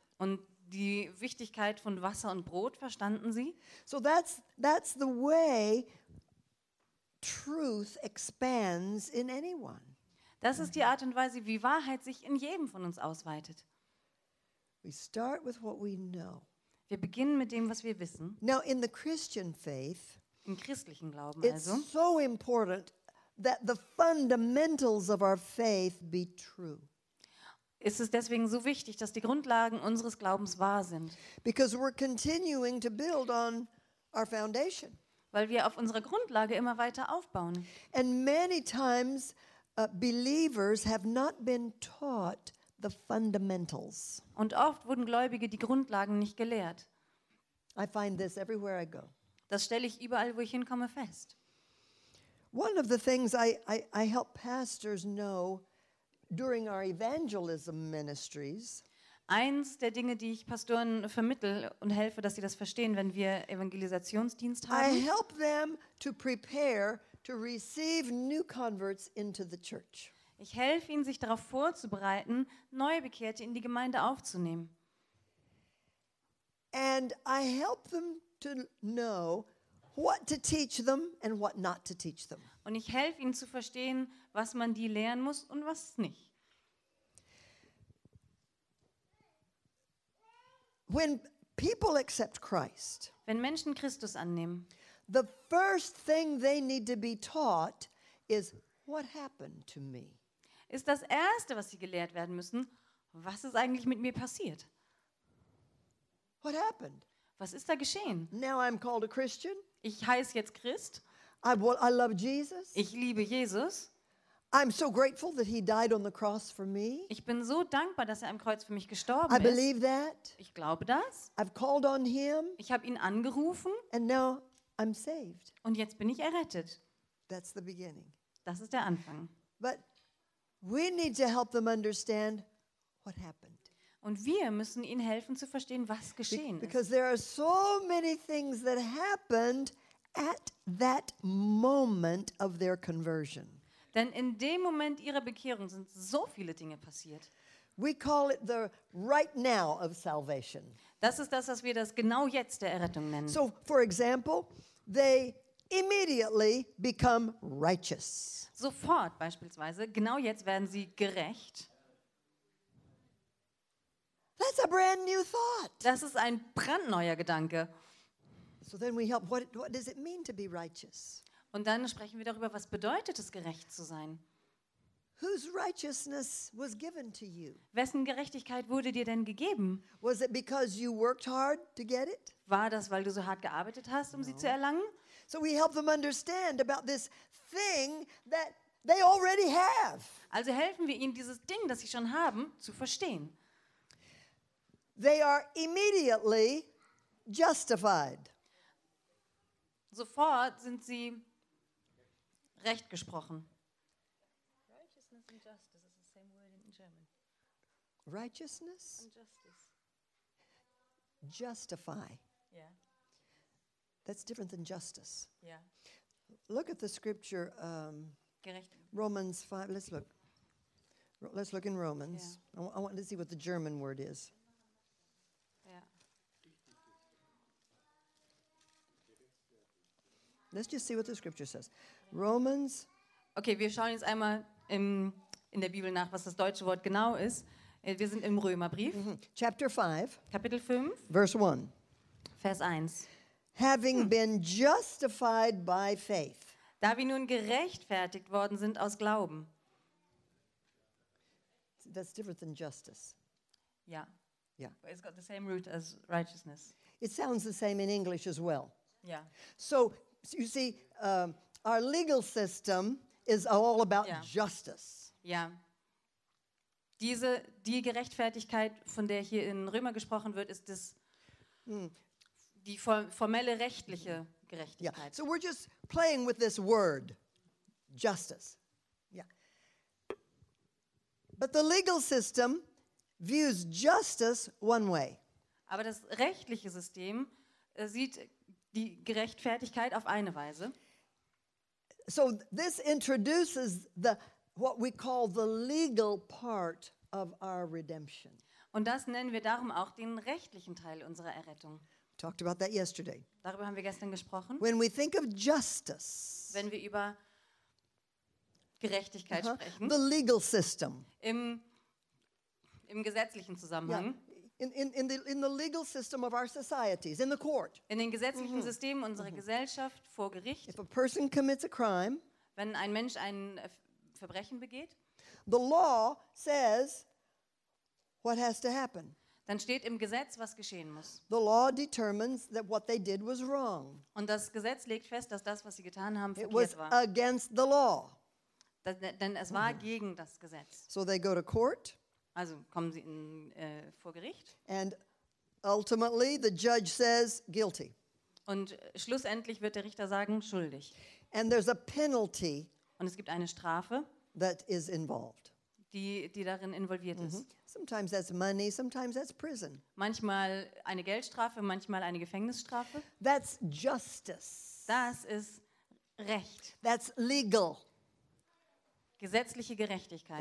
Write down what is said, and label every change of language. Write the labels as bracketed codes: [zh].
[de] Und die Wichtigkeit von Wasser und Brot verstanden sie. [en] So that's the way truth expands in anyone. [de] Das ist die Art und Weise, wie Wahrheit sich in jedem von uns ausweitet. [en] We start with what we know. [de] Wir beginnen mit dem, was wir wissen. [en] Now in the Christian faith, [de] im christlichen Glauben [en] also, it's so important that the fundamentals of our faith be true. [de] Ist es deswegen so wichtig, dass die Grundlagen unseres Glaubens wahr sind? [en] Because we're continuing to build on our foundation. [de] Weil wir auf unserer Grundlage immer weiter aufbauen. [en] And many times believers have not been taught the fundamentals. [de] Und oft wurden Gläubige die Grundlagen nicht gelehrt. [en] I find this everywhere I go. [de] Das stelle ich überall, wo ich hinkomme, fest. [en] One of the things I help pastors know during our evangelism ministries. [de] Eins der Dinge, die ich Pastoren vermittle und helfe, dass sie das verstehen, wenn wir Evangelisationsdienst haben. [en] I help them to prepare to receive new converts into the church. [de] Ich helfe ihnen, sich darauf vorzubereiten, neue Bekehrte in die Gemeinde aufzunehmen. [en] And I help them to know what to teach them and what not to teach them. [de] Und ich helfe ihnen zu verstehen, was man die lehren muss und was nicht. [en] When people accept Christ, [de] wenn Menschen Christus annehmen, [en] the first thing they need to be taught is what happened to me. [de] Ist das erste, was sie gelehrt werden müssen, was ist eigentlich mit mir passiert? [en] What happened? [de] Was ist da geschehen? [en] Now I'm called a Christian. [de] Ich heiße jetzt Christ. [en] I love Jesus. [de] Ich liebe Jesus. [en] I'm so grateful that he died on the cross for me. [de] Ich bin so dankbar, dass er am Kreuz für mich gestorben ist. [en] I believe that. [de] Ich glaube das. [en] I've called on him. [de] Ich habe ihn angerufen. [en] And now I'm saved. [de] Und jetzt bin ich errettet. [en] That's the beginning. [de] Das ist der Anfang. [en] But we need to help them understand what happened. [de] Und wir müssen ihnen helfen zu verstehen, was geschehen ist. [en] Because there are so many things that happened at that moment of their conversion. [de] Denn in dem Moment ihrer Bekehrung sind so viele Dinge passiert. [en] We call it the right now of salvation. [de] Das ist das, was wir das genau jetzt der Errettung nennen. [en] So, for example, they immediately become righteous. [de] Sofort beispielsweise, genau jetzt werden sie gerecht. [en] That's a brand new thought. [de] Das ist ein brandneuer Gedanke. [en] So then we help. What does it mean to be righteous? [de] Und dann sprechen wir darüber, was bedeutet es, gerecht zu sein? [en] Whose righteousness was given to you? [de] Wessen Gerechtigkeit wurde dir denn gegeben? [en] Was it because you worked hard to get it? [de] War das, weil du so hart gearbeitet hast, um sie zu erlangen? [en] So we help them understand about this thing that they already have. [de] Also helfen wir ihnen, dieses Ding, das sie schon haben, zu verstehen. [en] They are immediately justified. [de] Sofort sind sie recht gesprochen. [en] Righteousness and justice is the same word in German. Righteousness and justice. Justify. Yeah. That's different than justice. Yeah. Look at the scripture. Romans 5. Let's look. Let's look in Romans. Yeah. I want to see what the German word is. Let's just see what the scripture says. Romans. [de] Okay, wir schauen jetzt einmal in der Bibel nach, was das deutsche Wort genau ist. Wir sind im Römerbrief. Mm-hmm. [en] Chapter 5. [de] Kapitel 5. [en] Verse 1. [de] Vers 1. [en] Having been justified by faith. [de] Da wir nun gerechtfertigt worden sind aus Glauben. [en] That's different than justice. [de] Ja. [en] Yeah. But it's got the same root as righteousness. It sounds the same in English as well. Yeah. So, you see, our legal system is all about justice. [de] Ja. Die Gerechtfertigkeit, von der hier in Römer gesprochen wird, ist das die formelle rechtliche Gerechtigkeit. [en] Yeah. So we're just playing with this word, justice. Yeah. But the legal system views justice one way. [de] Aber das rechtliche System sieht die Gerechtfertigkeit auf eine Weise. [en] So this introduces the what we call the legal part of our redemption. [de] Und das nennen wir darum auch den rechtlichen Teil unserer Errettung. [en] We talked about that yesterday. [de] Darüber haben wir gestern gesprochen. [en] When we think of justice. [de] Wenn wir über Gerechtigkeit sprechen. [en] The legal system. [de] Im gesetzlichen Zusammenhang. [en] Yeah. In the legal system of our societies, in the court. [de] In den gesetzlichen Systemen unserer Gesellschaft, vor Gericht. [en] If a person commits a crime, [de] wenn ein Mensch ein Verbrechen begeht, [en] the law says what has to happen. [de] Dann steht im Gesetz, was geschehen muss. [en] The law determines that what they did was wrong. [de] Und das Gesetz legt fest, dass das, was sie getan haben, verkehrt war. [en] It was against the law. [de] Denn es war gegen das Gesetz. [en] So they go to court. [de] Also kommen sie in vor Gericht. [en] And ultimately the judge says guilty. [de] Und schlussendlich wird der Richter sagen schuldig. [en] And there's a penalty. [de] Und es gibt eine Strafe. [en] That is involved. [de] Die darin involviert ist. [en] Sometimes that's money, sometimes that's prison. [de] Manchmal eine Geldstrafe, manchmal eine Gefängnisstrafe. [en] That's justice. [de] Das ist Recht. [en] That's legal. [de] Gesetzliche Gerechtigkeit.